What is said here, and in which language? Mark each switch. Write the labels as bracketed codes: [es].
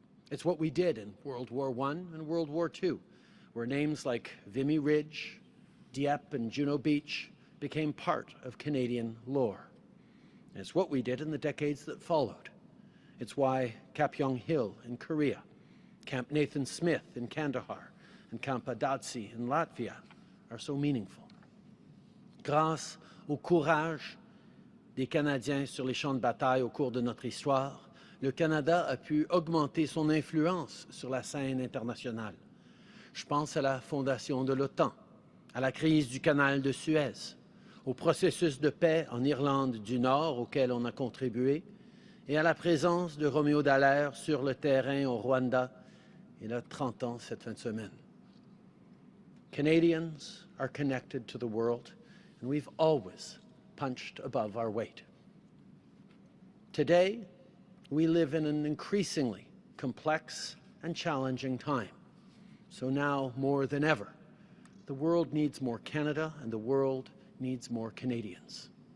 [en] It's what we did in World War I and World War II, where names like Vimy Ridge, Dieppe, and Juno Beach became part of Canadian lore. It's what we did in the decades that followed. It's why Camp Yong Hill in Korea, Camp Nathan Smith in Kandahar, and Camp Adatsi in Latvia are so meaningful. [fr] Grâce au courage des Canadiens sur les champs de bataille au cours de notre histoire, le Canada a pu augmenter son influence sur la scène internationale. Je pense à la fondation de l'OTAN, à la crise du canal de Suez, au processus de paix en Irlande du Nord auquel on a contribué, et à la présence de Roméo Dallaire sur le terrain au Rwanda. Il a 30 ans cette fin de semaine. [en] Canadians are connected to the world, and we've always punched above our weight. Today, we live in an increasingly complex and challenging time. So now, more than ever, the world needs more Canada, and the world needs more Canadians.